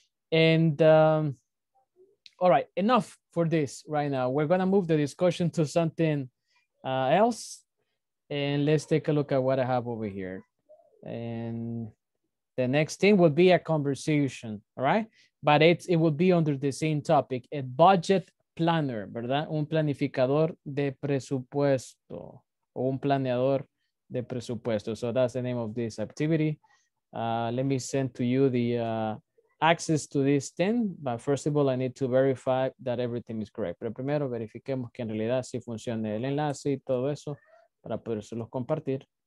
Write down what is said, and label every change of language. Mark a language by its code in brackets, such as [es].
[en] And all right, enough for this right now. We're gonna move the discussion to something else. And let's take a look at what I have over here. And the next thing will be a conversation, all right? But it will be under the same topic, a budget planner, ¿verdad? [es] Un planificador de presupuesto, o un planeador de presupuesto. [en] So that's the name of this activity. Let me send to you the access to this thing. But first of all, I need to verify that everything is correct. [es] Pero primero verifiquemos que en realidad sí funcione el enlace y todo eso para poderlos compartir.